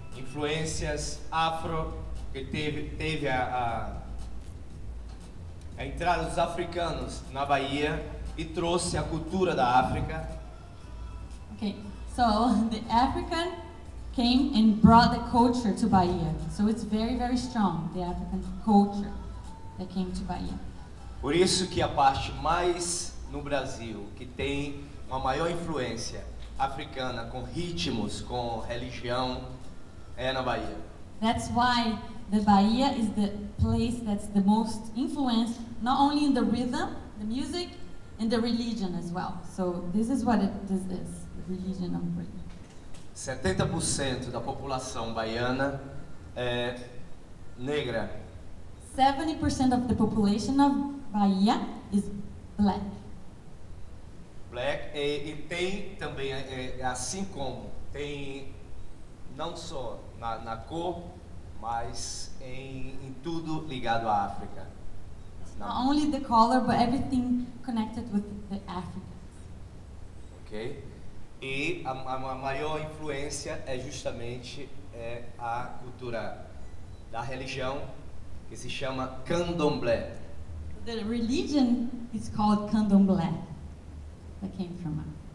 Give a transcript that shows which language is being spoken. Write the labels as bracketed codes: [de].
[pt] Influências afro que teve a entrada dos africanos na Bahia. E trouxe a cultura da África. [en] Okay, so the African came and brought the culture to Bahia. So it's very, very strong, the African culture that came to Bahia. [pt] Por isso que a parte mais no Brasil que tem uma maior influência africana com ritmos, com religião, é na Bahia. [en] That's why the Bahia is the place that's the most influenced, not only in the rhythm, the music, and the religion as well. So this is what this is, the religion of Bahia. [pt] 70% da população baiana é negra. [en] 70% of the population of Bahia is black. [pt] Black e tem também, assim como, tem não só na cor, mas em tudo ligado à África. [en] Not only the color, but everything connected with the Africans. Okay. [pt] E a maior influência é justamente a cultura da religião, que se chama Candomblé. [en] The religion is called Candomblé, that came from us.